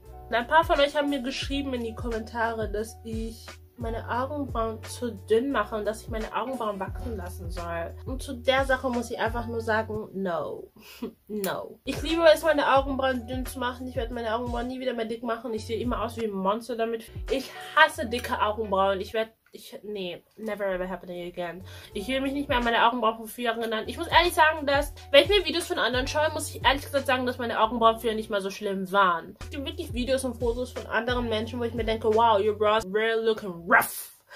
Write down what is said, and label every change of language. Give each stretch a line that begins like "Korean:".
German: Ein paar von euch haben mir geschrieben in die Kommentare, dass ich meine Augenbrauen zu dünn mache und dass ich meine Augenbrauen wachsen lassen soll. Und zu der Sache muss ich einfach nur sagen,
English: no. No.
German: Ich liebe es, meine Augenbrauen dünn zu machen. Ich werde meine Augenbrauen nie wieder mehr dick machen. Ich sehe immer aus wie ein Monster damit. Ich hasse dicke Augenbrauen.
English: Nee, never ever happening again.
German: Ich will mich nicht mehr an meine Augenbrauen von früher erinnern. Ich muss ehrlich sagen, dass, wenn ich mir Videos von anderen schaue, muss ich ehrlich gesagt sagen, dass meine Augenbrauen früher nicht mal so schlimm waren. Es gibt wirklich Videos und Fotos von anderen Menschen, wo ich mir denke, wow,
English: your brows were looking rough.